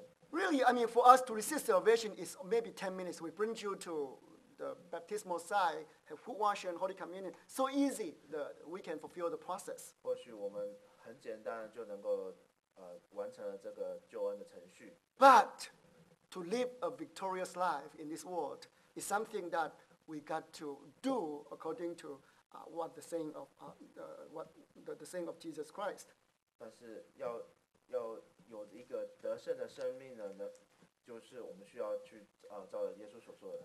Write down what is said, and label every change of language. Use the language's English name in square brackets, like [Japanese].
[English] Really, I mean, for us to receive salvation is maybe 10 minutes. We bring you to the baptismal site, have foot washing, Holy Communion. So easy that we can fulfill the process. [Chinese] 或许我们很简单就能够完成了这个救恩的程序。 [English] But to live a victorious life in this world is something that we got to do according to what the saying of the saying of Jesus Christ. [Chinese] 但是要有一个得胜的生命呢，就是我们需要去照着耶稣所说的。